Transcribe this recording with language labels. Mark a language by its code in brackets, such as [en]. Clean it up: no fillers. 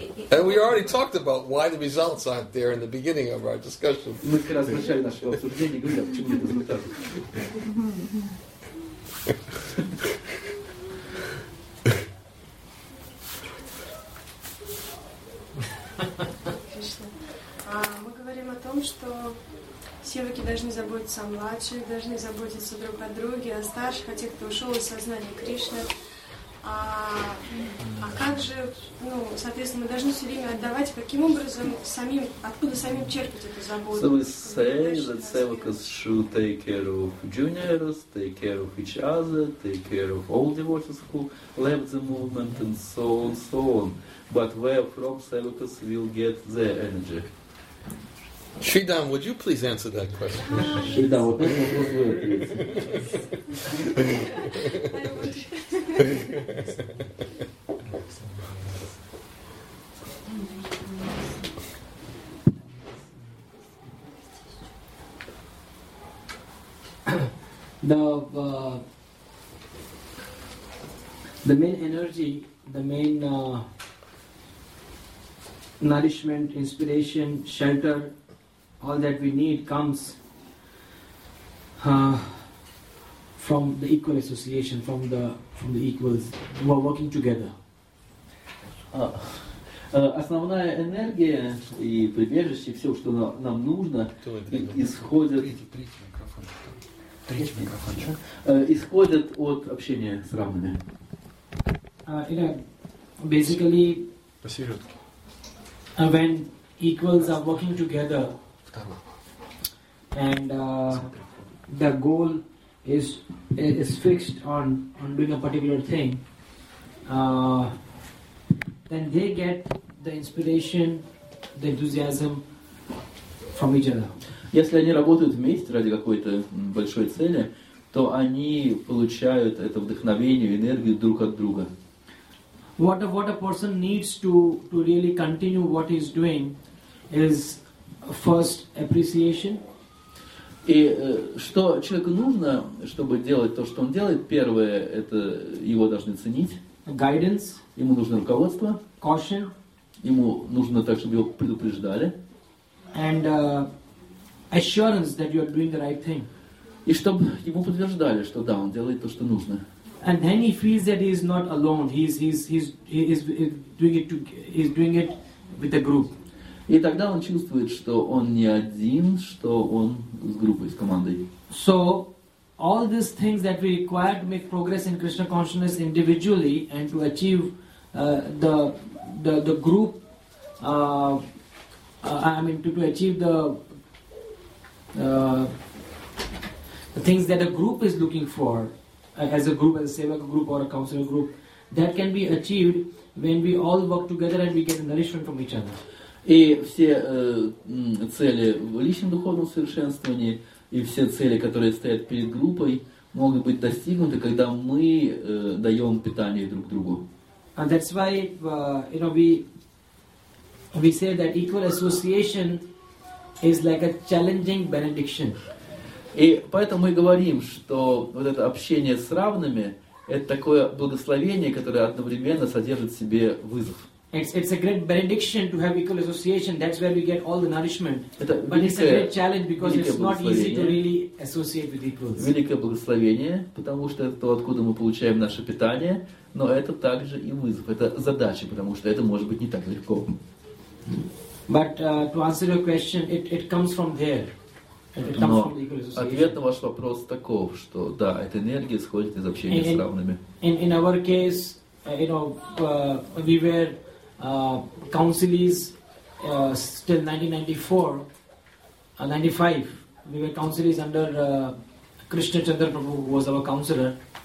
[en] And we already talked about why the results aren't there in the beginning of our discussion. [ru] Мы как раз в начале нашего обсуждения говорили, почему нет результатов. Мы говорим о том, что севаки должны заботиться о младших, должны заботиться друг о друге, о старших, о тех, кто ушел из сознания Кришны. А как же, соответственно, мы должны все время отдавать, каким образом самим, откуда самим черпать эту заботу? [en] So we say that sevakas should take care of juniors, take care of each other, take care of all devotees who left the movement and so on, so on. But where from sevakas will get their energy? Shridam, would you please answer that question? Shridam, what is your question? The main energy, the main nourishment, inspiration, shelter, all that we need comes from the equal association, from the equals who are working together. [ru] Основная энергия и прибежище, все, что нам нужно, исходит от общения с равными. [en] Basically, [ru] посередке. [en] When equals are working together, and the goal is fixed on doing a particular thing, then they get the inspiration, the enthusiasm from each other. [ru] Если они работают вместе ради какой-то большой цели, то они получают это вдохновение, энергию друг от друга. [en] What a person needs to really continue what he's doing is first appreciation. [ru] И что человеку нужно, чтобы делать то, что он делает, первое, это его должны ценить. [en] Guidance. [ru] Ему нужно руководство. [en] Caution. [ru] Ему нужно так, чтобы его предупреждали. [en] And assurance that you are doing the right thing. [ru] И чтобы ему подтверждали, что да, он делает то, что нужно. [en] And then he feels that he is not alone. He's doing it with a group. [ru] И тогда он чувствует, что он не один, что он с группой, с командой. [en] So all these things that we require to make progress in Krishna consciousness individually and to achieve the group, to achieve the things that a group is looking for, as a group, as a sevaka group or a counselor group, that can be achieved when we all work together and we get nourishment from each other. [ru] И все цели в личном духовном совершенствовании и все цели, которые стоят перед группой, могут быть достигнуты, когда мы даем питание друг другу. [en] And that's why you know we say that equal association is like a challenging benediction. [ru] И поэтому мы говорим, что вот это общение с равными это такое благословение, которое одновременно содержит в себе вызов. [en] It's a great benediction to have equal association. That's where we get all the nourishment. [ru] Это [en] but it's a great challenge because it's not easy to really associate with equals. [ru] Великое благословение, потому что это то, откуда мы получаем наше питание, но это также и вызов, это задача, потому что это может быть не так легко. [en] But to answer your question, it comes from there. [ru] Но ответ на ваш вопрос таков, что да, эта энергия исходит из общения с равными. [en] In our case, you know, we were counselees till 1994, 95. We were counselees under Krishna Chandra Prabhu, who was our counselor.